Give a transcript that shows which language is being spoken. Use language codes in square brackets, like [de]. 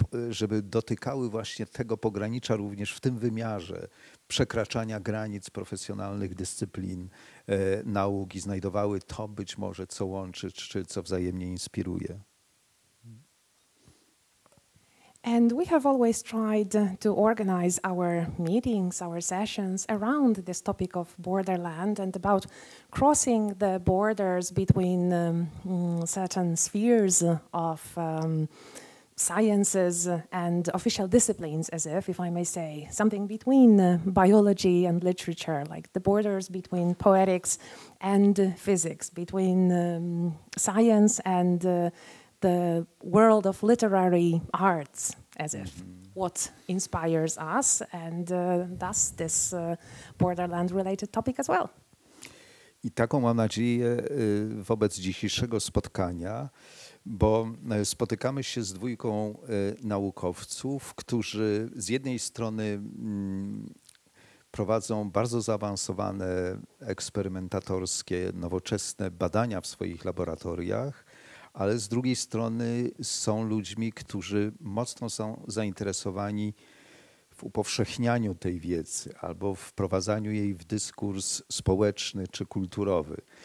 [pl] żeby dotykały właśnie tego pogranicza również w tym wymiarze przekraczania granic profesjonalnych dyscyplin nauki, znajdowały to być może, co łączy, czy co wzajemnie inspiruje. [en] And we have always tried to organize our meetings, our sessions around this topic of borderland and about crossing the borders between certain spheres of sciences and official disciplines, as if I may say, something between biology and literature, like the borders between poetics and physics, between science and the world of literary arts, as if what inspires us, and thus this borderland-related topic as well. [pl] I taką mam nadzieję wobec dzisiejszego spotkania, bo spotykamy się z dwójką naukowców, którzy z jednej strony prowadzą bardzo zaawansowane, eksperymentatorskie, nowoczesne badania w swoich laboratoriach, ale z drugiej strony są ludźmi, którzy mocno są zainteresowani w upowszechnianiu tej wiedzy albo wprowadzaniu jej w dyskurs społeczny czy kulturowy.